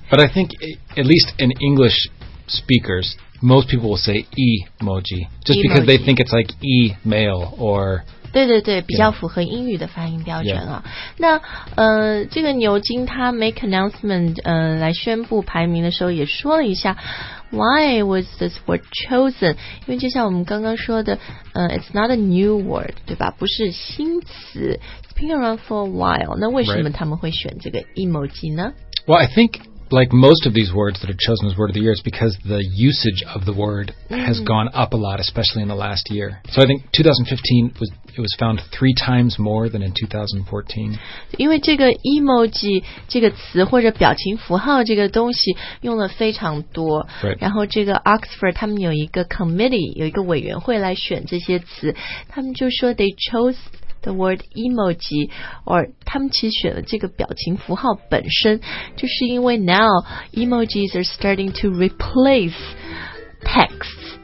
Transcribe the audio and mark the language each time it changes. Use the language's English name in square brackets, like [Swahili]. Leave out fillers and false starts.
[English] But I think at least in English speakers,Most people will say emoji, just emoji. because they think it's like email or... [Chinese] 对对对，比较符合英语的发音标准啊。 [English] Yeah. [Chinese] 那这个牛津他 [English] make announcement, [Chinese] 来宣布排名的时候也说了一下 [English] why was this word chosen? [Chinese] 因为就像我们刚刚说的 [English] it's not a new word, [Chinese] 对吧？不是新词。 [English] It's been around for a while. [Chinese] 那为什么他们会选这个 emoji 呢？ [English] Well, I think... Like most of these words that are chosen as word of the year, it's because the usage of the word has gone up a lot, especially in the last year. So I think 2015 was found three times more than in 2014. [Chinese] 因为这个 emoji 这个词或者表情符号这个东西用了非常多。 [English] Right. [Chinese] 然后这个 Oxford 他们有一个 committee, 有一个委员会来选这些词。他们就说 [English] they chose... The word emoji, or [Chinese] 他们其实选了这个表情符号本身，就是因为 [English] now emojis are starting to replace texts、